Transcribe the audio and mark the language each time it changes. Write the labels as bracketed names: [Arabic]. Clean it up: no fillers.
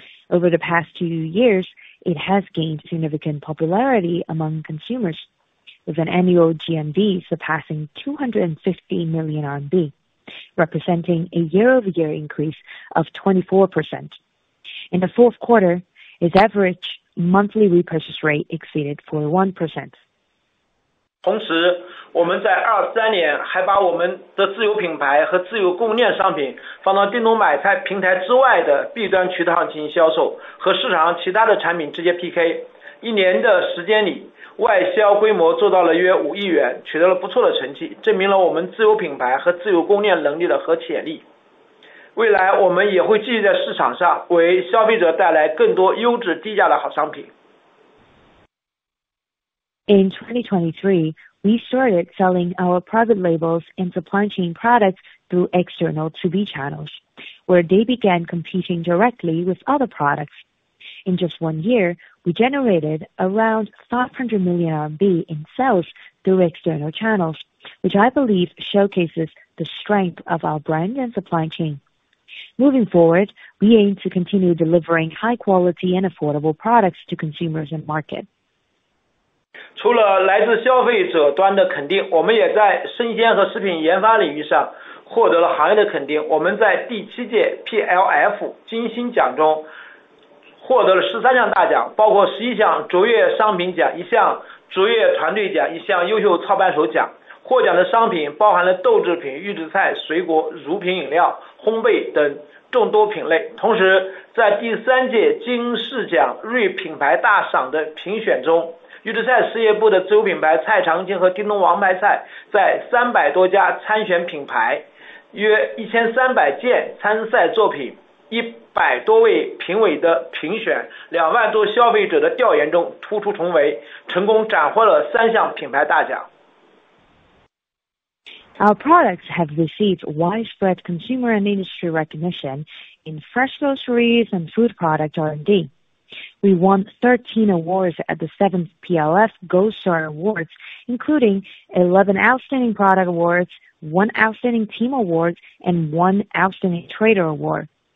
[English] Over the past 2 years, it has gained significant popularity among consumers, with an annual GMV surpassing 250 million RMB. representing a year-over-year increase of 24%. In the fourth quarter, its average monthly repurchase rate exceeded 41%. [Chinese] 同时，我们在23年还把我们的自有品牌和自有供应链商品放到叮咚买菜平台之外的 B 端渠道上进行销售，和市场其他的产品直接 PK。一年的时间里，外销规模做到了约5亿元，取得了不错的成绩，证明了我们自有品牌和自有供应链能力的和潜力。未来我们也会继续在市场上为消费者带来更多优质低价的好商品。 [English] In 2023, we started selling our private labels and supply chain products through external 2B channels, where they began competing directly with other products. In just 1 year, we generated around 500 million RMB in sales through external channels, which I believe showcases the strength of our brand and supply chain. Moving forward, we aim to continue delivering high quality and affordable products to consumers and market. [Chinese] 除了来自消费者端的肯定，我们也在生鲜和食品研发领域上获得了行业的肯定。我们在第七届 PLF 金星奖中获得了13项大奖，包括11项卓越商品奖、1项卓越团队奖、1项优秀操盘手奖。获奖的商品包含了豆制品、预制菜、水果、乳品饮料、烘焙等众多品类。同时，在第三届金视奖瑞品牌大赏的评选中，预制菜事业部的自有品牌菜长青和叮咚王牌菜在300多家参选品牌，约1300件参赛作品，100多位评委的评选，20000多消费者的调研中突出重围，成功斩获了3项品牌大奖。 [English] Our products have received widespread consumer and industry recognition in fresh groceries and food product R&D. We won 13 awards at the 7th PLF Gold Star Awards, including 11 Outstanding Product Awards, 1 Outstanding Team Awards, and 1 Outstanding Trader Award.